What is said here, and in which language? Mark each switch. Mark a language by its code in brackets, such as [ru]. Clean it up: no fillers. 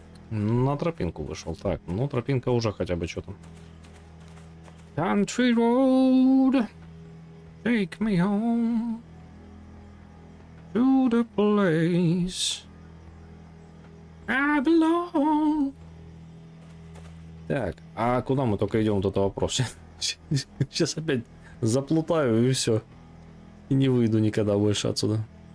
[ru] На тропинку вышел. Так, ну тропинка уже хотя бы что-то. [en] Country road, take me home to the place I belong. [ru] Так, а куда мы только идем, вот это вопрос. Сейчас опять заплутаю и все. И не выйду никогда больше отсюда.